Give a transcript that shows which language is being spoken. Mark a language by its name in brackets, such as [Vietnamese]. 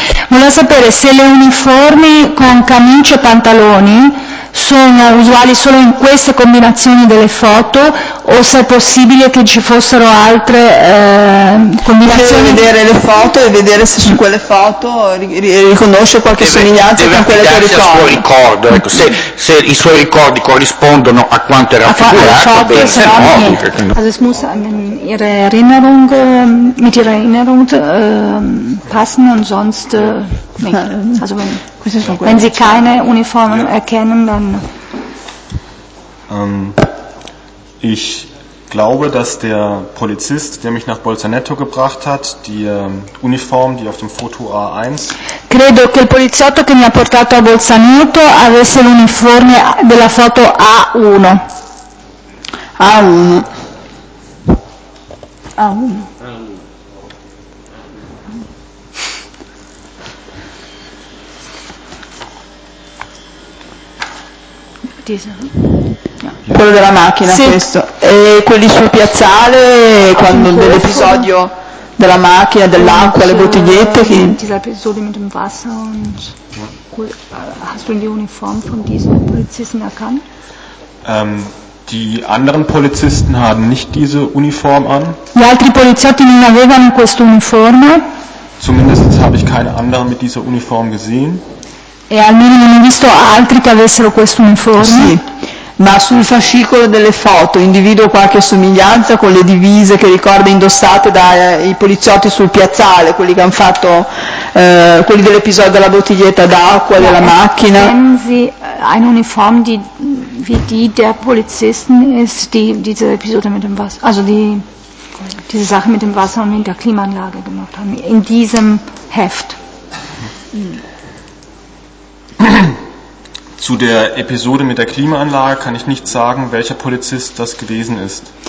[Italian] Volevo sapere se le uniformi con camicia e pantaloni sono usuali solo in queste combinazioni delle foto o se è possibile che ci fossero altre combinazioni. Deve vedere le foto e vedere se su quelle foto riconosce qualche somiglianza con quelle che ricorda. Deve affidarsi al suo ricordo, ecco, se i suoi ricordi corrispondono a quanto era raffigurato. [German] Es muss ihre Erinnerung mit ihrer Erinnerung passen und sonst also wenn sie keine Uniformen erkennen, dann ich glaube, dass der Polizist, der mich nach Bolzaneto gebracht hat, die Uniform, die auf dem Foto A1. [Italian] Credo che il poliziotto che mi ha portato a Bolzaneto avesse l'uniforme della foto A1. No. Quello della macchina, sì. Questo e quelli sul piazzale quando dell'episodio della macchina, dell'acqua, le bottigliette che [German] dieser Episode mit dem Wasser und hast du die Uniform von diesem Polizisten erkannt? Die anderen Polizisten haben nicht diese Uniform an. [Italian] Gli altri poliziotti non avevano questo uniforme. [German] Zumindest habe ich keine anderen mit dieser Uniform gesehen. [Italian] E almeno non ho visto altri che avessero questo uniforme. Sì, ma sul fascicolo delle foto individuo qualche somiglianza con le divise che ricorda indossate dai poliziotti sul piazzale, quelli che hanno fatto quelli dell'episodio della bottiglietta d'acqua, ja, della macchina. [German] Ein Uniform die wie die der Polizisten ist, diese Episode mit dem Wasser, also diese Sache mit dem Wasser und mit der Klimaanlage gemacht haben in diesem Heft. Zu der Episode mit der Klimaanlage kann ich nicht sagen, welcher Polizist das gewesen ist.